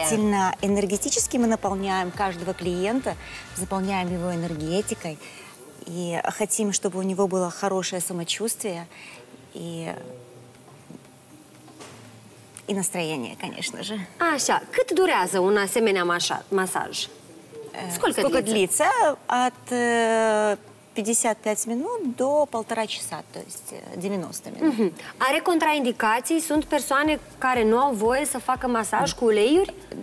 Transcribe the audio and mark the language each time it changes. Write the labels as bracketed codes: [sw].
[ru] Обязательно, энергетически мы наполняем каждого клиента, заполняем его энергетикой. И хотим, чтобы у него было хорошее самочувствие и настроение, конечно же. [ro] Așa, cât durează un asemenea masaj? [ru] Сколько длится? От 55 минут до 1,5 часа, то есть 90 минут. А контраиндикации? [ro] Sunt persoane care nu au voie să facă masaj cu uleiuri?